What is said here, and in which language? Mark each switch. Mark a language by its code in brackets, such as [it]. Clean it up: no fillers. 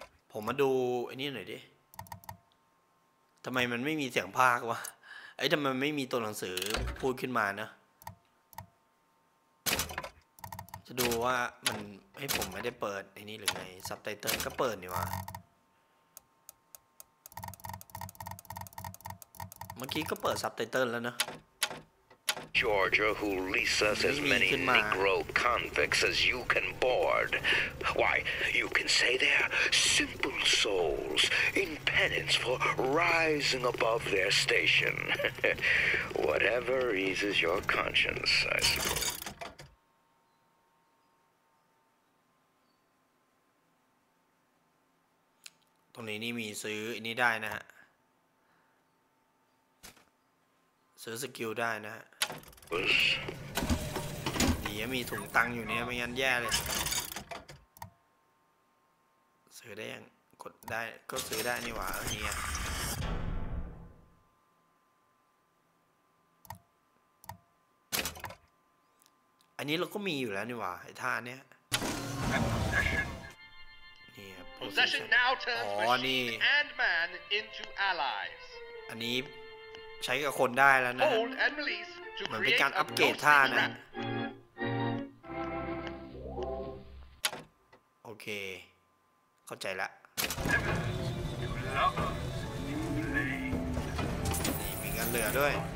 [th] ผมมาดูอันนี้หน่อยดิทำไมมันไม่มีเสียงภาควะไอ้ทำไมไม่มีตัวหนังสือพูดขึ้นมานะจะดูว่ามันให้ผมไม่ได้เปิดไอ้นี่หรือไงซับไตเติลก็เปิดนี่วะเมื่อกี้ก็เปิดซับไตเติลแล้วนะ [en] Georgia who leases us as many Negro convicts as you can board. Why you can say they're simple souls in penance for rising above their station. Whatever eases your conscience, I suppose. [th] ตรงนี้นี่มีซื้ออันนี้ได้นะฮะซื้อสกิลได้นะฮะดีมีถุงตังอยู่เนี่ยไม่งั้นแย่เลยซื้อได้ยังกดได้ก็ซื้อได้นี่หว่าเนี่ยอันนี้เราก็มีอยู่แล้วนี่หว่าไอ้ท่าเนี้ย [en] Possession now turns machine and man into allies. [th] อันนี้ใช้กับคนได้แล้วนะ [en] Hold and release to create a ghost [th] trap. มันเป็นการอัปเกรดท่านะโอเคเข้าใจละนี่มีการเหลือด้วย